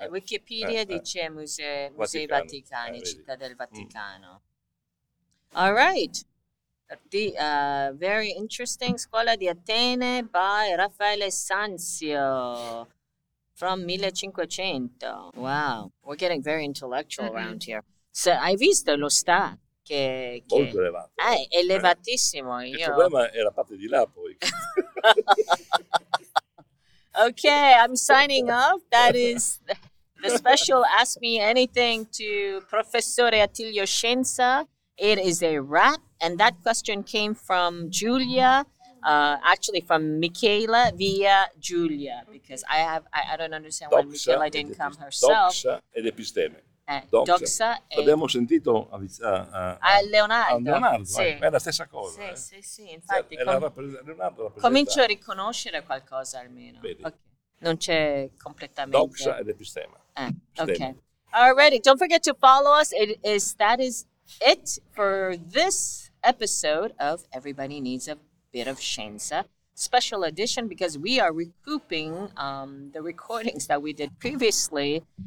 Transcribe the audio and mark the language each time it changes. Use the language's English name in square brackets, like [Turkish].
[Italian] Wikipedia dice musei Vaticani, città del Vaticano. [English] All right. Very interesting. Scuola di Atene by Raffaele Sanzio from 1500. Wow. We're getting very intellectual around here. [Italian] So, hai visto lo sta? Che molto elevato. Elevatissimo. Il problema è la parte di là, poi. [English] Okay, I'm signing off. That is the special Ask Me Anything to Professore Attilio Scienza. It is a wrap. And that question came from Giulia, actually from Michaela via Giulia, because I don't understand why Michaela didn't come herself. [Italian] Doxa ed episteme. Doxa. L'abbiamo sentito a Leonardo. Sì. È la stessa cosa. Sì, eh? sì, infatti. Leonardo comincio a riconoscere qualcosa almeno. Okay. Non c'è completamente. Doxa ed episteme. Okay. [English] Alrighty, don't forget to follow us. That is it for this episode of Everybody Needs a Bit of Scienza, special edition, because we are recouping the recordings that we did previously.